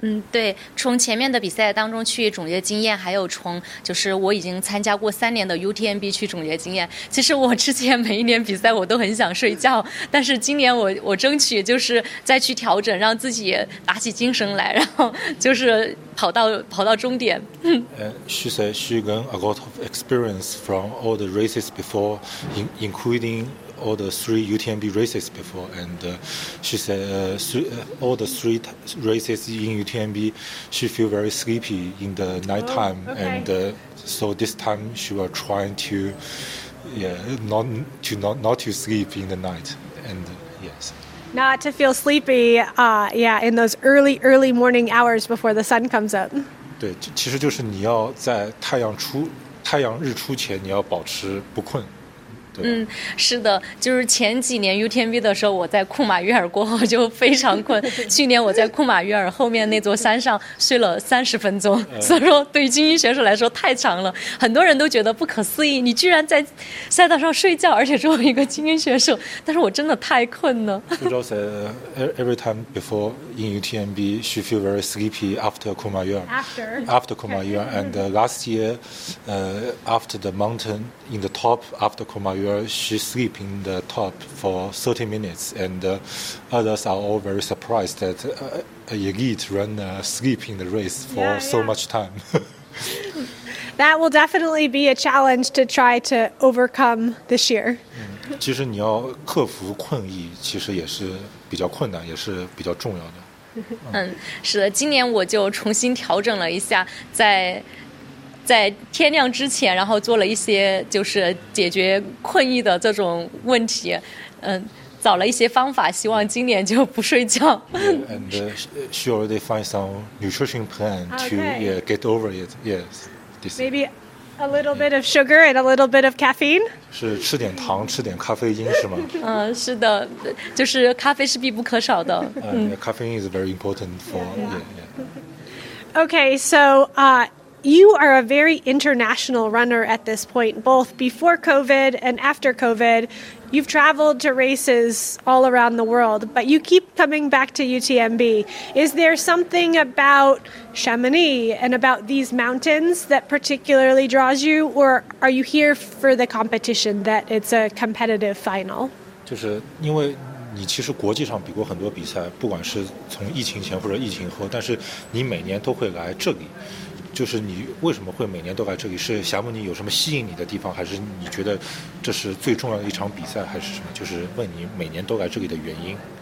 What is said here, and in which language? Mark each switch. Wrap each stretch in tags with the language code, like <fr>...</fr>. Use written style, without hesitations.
<zh>对，从前面的比赛当中去总结经验，还有从就是我已经参加过三年的 UTMB 去总结经验。其实我之前每一年比赛我都很想睡觉，但是今年我争取就是再去调整，让自己打起精神来，然后就是跑到终点。</zh> <en>She said she gained a lot of experience from all the races before, including all the three UTMB races before, and she said all the three races in UTMB, she feel very sleepy in the nighttime, and so this time she was trying to, not to sleep in the night, and yes. Not to feel sleepy, in those early morning hours before the sun comes up.</en> <zh>对，其实就是你要在太阳日出前，你要保持不困。对嗯，是的，就是前几年 UTMB 的时候，我在库马约尔过后就非常困。去年我在库马约尔后面那座山上睡了30分钟，所以说对于精英选手来说太长了，很多人都觉得不可思议，你居然在赛道上睡觉，而且作为一个精英选手，但是我真的太困了。</zh> <en>Fu-Zhao said every time before in UTMB, she feel very sleepy after Kuma Yuan. After Kuma Yuan, and last year, after the mountain in the top after Kuma Yuan, she sleep in the top for 30 minutes, and others are all very surprised that a elite runner sleep in the race for so much time. That will definitely be a challenge to try to overcome this year.</en> <zh>其实你要克服困意，其实也是比较困难，也是比较重要的。嗯，是的，今年我就重新调整了一下，在天亮之前，然后做了一些就是解决困意的这种问题，嗯，找了一些方法，希望今年就不睡觉。</zh> <en>Yeah, and she already find some nutrition plan to get over it. Yes. Maybe a little bit of sugar and a little bit of caffeine.</en> <zh>是吃点糖，吃点咖啡因是吗？嗯，是的，就是咖啡是必不可少的。</zh> <en>Caffeine is very important for. Okay, so you are a very international runner at this point, both before COVID and after COVID. You've traveled to races all around the world, but you keep coming back to UTMB. Is there something about Chamonix and about these mountains that particularly draws you, or are you here for the competition that it's a competitive final?</en> <zh>就是因为你其实国际上比过很多比赛，不管是从疫情前或者疫情后，但是你每年都会来这里。就是你为什么会每年都来这里？是霞慕尼有什么吸引你的地方，还是你觉得这是最重要的一场比赛，还是什么？就是问你每年都来这里的原因。</zh>